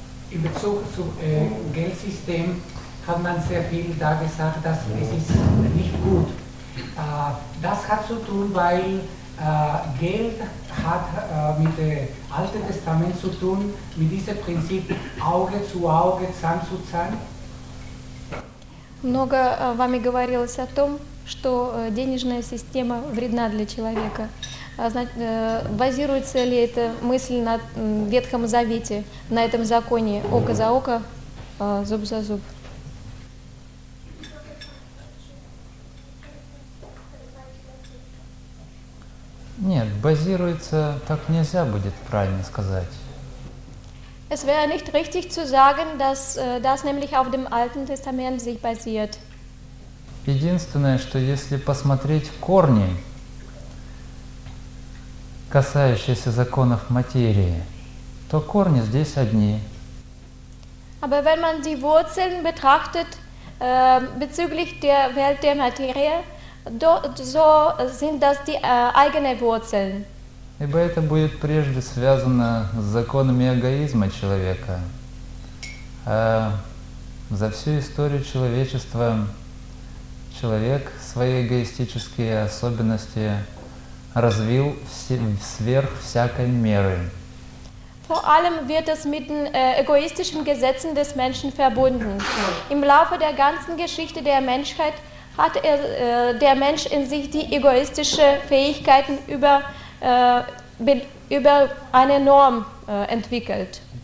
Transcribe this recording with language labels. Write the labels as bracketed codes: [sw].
[de] In Bezug zu Geldsystem hat man sehr viel da gesagt, dass es ist nicht gut. Das hat zu tun, weil Geld hat mit dem Alten Testament zu tun, mit diesem Prinzip Auge zu Auge, Zahn zu Zahn. [ru] Много вами говорилось о том, что денежная система вредна для человека. Базируется ли эта мысль на Ветхом Завете, на этом законе око за око, зуб за зуб? Нет, базируется так нельзя будет правильно сказать. [de] Es wäre nicht richtig zu sagen, dass das nämlich auf dem Alten Testament sich basiert. [ru] Единственное, что если посмотреть корни, касающиеся законов материи, то корни здесь одни. [de] Aber wenn man die Wurzeln betrachtet bezüglich der Welt der Materie, so sind das die eigenen Wurzeln. [ru] Ибо это будет прежде связано с законами эгоизма человека. А за всю историю человечества человек свои эгоистические особенности развил сверх всякой меры. [de] Vor allem wird es mit den egoistischen Gesetzen des Menschen verbunden. Im Laufe der ganzen Geschichte der Menschheit hat der Mensch in sich die egoistischen Fähigkeiten über eine Norm entwickelt.